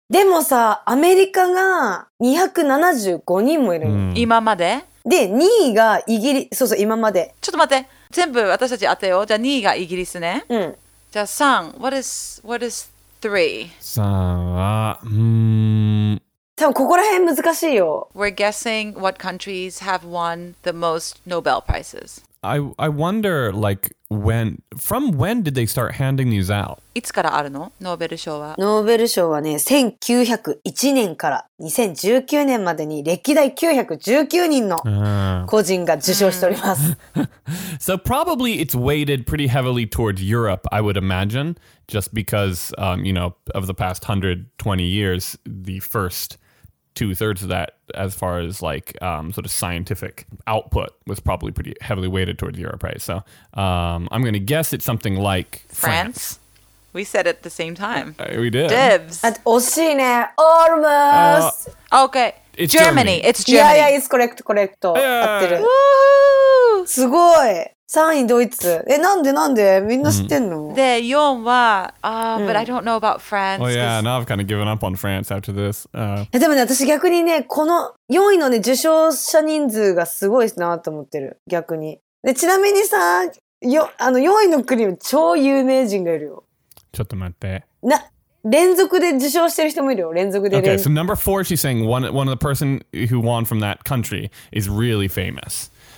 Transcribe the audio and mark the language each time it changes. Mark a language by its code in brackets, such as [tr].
[ja] でもさ、アメリカが275人もいるの。今まで？で、2位がイギリス。そうそう、今まで。ちょっと待って。全部私たち当てよう。じゃあ2位がイギリスね。うん。じゃあ3。 [en] What is 3? [ja] 3は、多分ここら辺難しいよ。 [en] We're guessing what countries have won the most Nobel Prizes. I wonder, like, from when did they start handing these out? [ja] いつからあるの？ノーベル賞は。ノーベル賞はね、1901年から2019年までに歴代919人の個人が受賞しております。 [en] So probably it's weighted pretty heavily towards Europe, I would imagine, just because, you know, of the past 120 years, the first two-thirds of that, as far as like sort of scientific output, was probably pretty heavily weighted towards Europe, right? So I'm going to guess it's something like France. We said it at the same time. We did. Dibs. And [ja] 惜しいね. [en] Almost. Okay. It's Germany. Germany. It's Germany. Yeah, it's correct, correct. Yeah. [ja] Woo! すごい。3位ドイツ。え、なんでなんで？みんな知ってんの？で、4は、 [en] but I don't know about France. Oh yeah, now I've kind of given up on France after this. [ja] でもね、私逆にね、この4位のね、受賞者人数がすごいなと思ってる。逆に。で、ちなみにさ、4位の国は超有名人がいるよ。ちょっと待って。な、連続で受賞してる人もいるよ。連続で。 [en] Okay, so number 4, she's saying one of the person who won from that country is really famous.